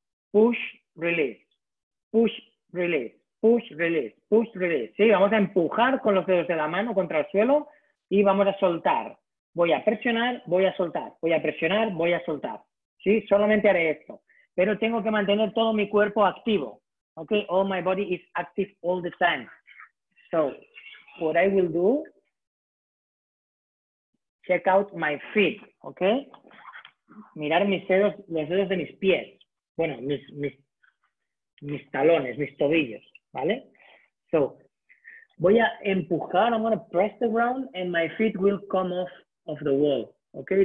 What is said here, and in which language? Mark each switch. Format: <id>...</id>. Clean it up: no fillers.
<en>Push, release. Push, release. Push, release. Push, release.</en> <es>Sí, vamos a empujar con los dedos de la mano contra el suelo y vamos a soltar. Voy a presionar, voy a soltar. Voy a presionar, voy a soltar. Sí, solamente haré esto. Pero tengo que mantener todo mi cuerpo activo.</es> <en>Ok, all my body is active all the time. So, what I will do, check out my feet, ok?</en> <es>Mirar mis dedos, los dedos de mis pies. Bueno, mis talones, mis tobillos, ¿vale?</es> <en>So,</en> <es>voy a empujar,</es> <en>I'm going to press the ground and my feet will come off of the wall, ok?</en>